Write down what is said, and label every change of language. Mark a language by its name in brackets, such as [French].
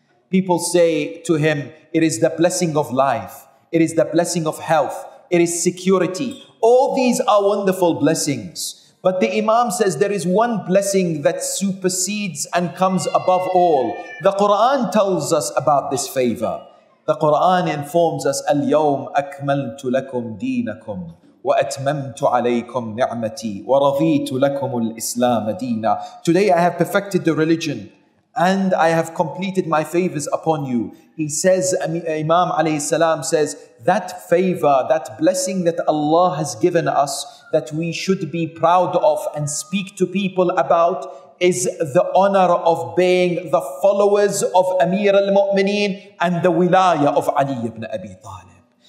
[English] People say to him, it is the blessing of life. It is the blessing of health. It is security. All these are wonderful blessings. But the Imam says there is one blessing that supersedes and comes above all. The Quran tells us about this favor. The Quran informs us, [Arabic] اليوم أكملت لكم دينكم وأتممت عليكم نعمتي ورضيت لكم الإسلام دينا. [English] Today I have perfected the religion and I have completed my favors upon you. He says, Imam alayhi salam says, that favor, that blessing that Allah has given us, that we should be proud of and speak to people about, is the honor of being the followers of Amir al-Mu'mineen and the wilaya of Ali ibn Abi Talib.